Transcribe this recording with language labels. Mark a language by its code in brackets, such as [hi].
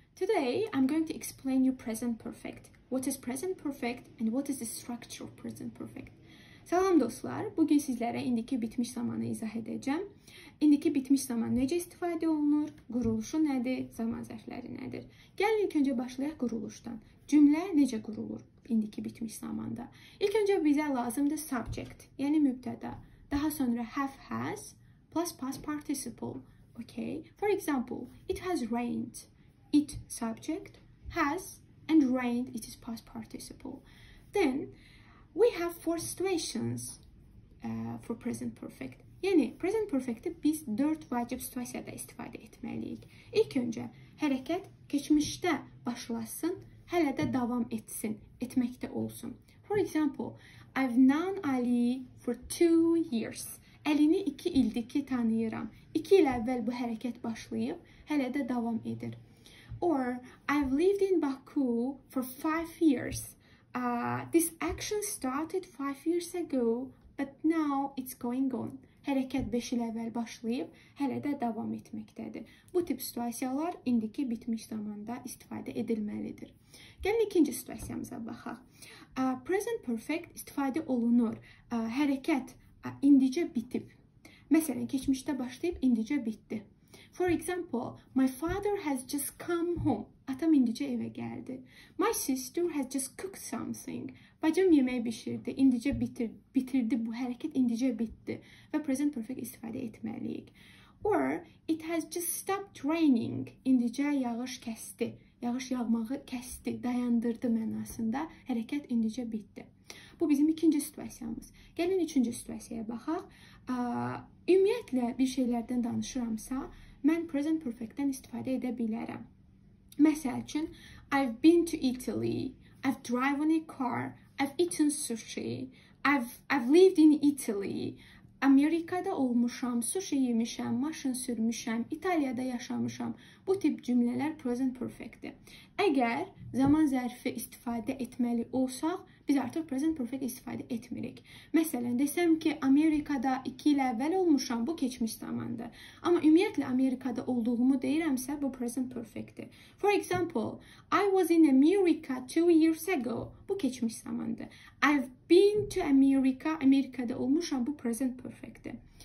[en] Today I'm going to explain you present perfect. What is present perfect and what is the structure of present perfect? [az] Salam dostlar, bugün sizlere indiki bitmiş zamanı izah edeceğim. İndiki bitmiş zaman necə istifadə olunur? Quruluşu nədir? Zaman zərfləri nədir? Gəlin ilk öncə başlayaq quruluşdan. Cümlə necə qurulur indiki bitmiş zamanda? İlk öncə bizə lazımdır subject, yəni mübtəda. Daha sonra have has plus past participle. [en] Okay, for example, it has rained, it subject, has and rained, it is past participle. Then we have four situations for present perfect. [az] Yani present perfect'i biz dört vacib situasiyada istifade etmeliyik. İlk önce hareket geçmişte başlasın, hele de devam etsin, etmekte olsun. [en] For example, I've known Ali for 2 years. [az] Əlini 2 ildir ki tanıyıram. 2 il əvvəl bu hərəkət başlayıb, hələ də davam edir. [en] Or, I've lived in Baku for 5 years. This action started 5 years ago, but now it's going on. [az] Hərəkət 5 il əvvəl başlayıb, hələ də davam etməkdədir. Bu tip situasiyalar indiki bitmiş zamanda istifadə edilməlidir. Gəlin ikinci situasiyamıza baxaq. Present perfect istifadə olunur. Hərəkət indicə bitib. Məsələn, keçmişdə başlayıb, indicə bitdi. [en] For example, my father has just come home. [az] Atam indicə evə gəldi. [en] My sister has just cooked something. [az] Bacım yemək bişirdi, indicə bitirdi bu hərəkət, indicə bitdi. Və present perfect istifadə etməliyik. [en] Or, it has just stopped raining. [az] İndicə yağış kəsdi. Yağış yağmağı kəsdi, dayandırdı mənasında. Hərəkət indicə bitdi. Bu bizim ikinci situasiyamız. Gəlin üçüncü situasiyaya baxaq. Ümumiyyətlə bir şeylərdən danışıramsa, mən present perfect-dən istifadə edə bilərəm. Məsəl üçün, [en] I've been to Italy, I've driven a car, I've eaten sushi, I've lived in Italy, [az] Amerikada olmuşam, sushi yemişəm, maşın sürmüşəm, İtaliyada yaşamışam. Bu tip cümlələr present perfect-dir. Əgər zaman zərfi istifadə etməli olsaq, biz artıq present perfect istifadə etmirik. Məsələn, desəm ki, Amerikada 2 il əvvəl olmuşam, bu keçmiş zamandır. Amma ümumiyyətlə, Amerikada olduğumu deyirəmsə, bu present perfect-dir. [en] For example, I was in America 2 years ago. [az] Bu keçmiş zamandır. [en] I've been to America. [az] Amerikada olmuşam, bu present perfect-dir.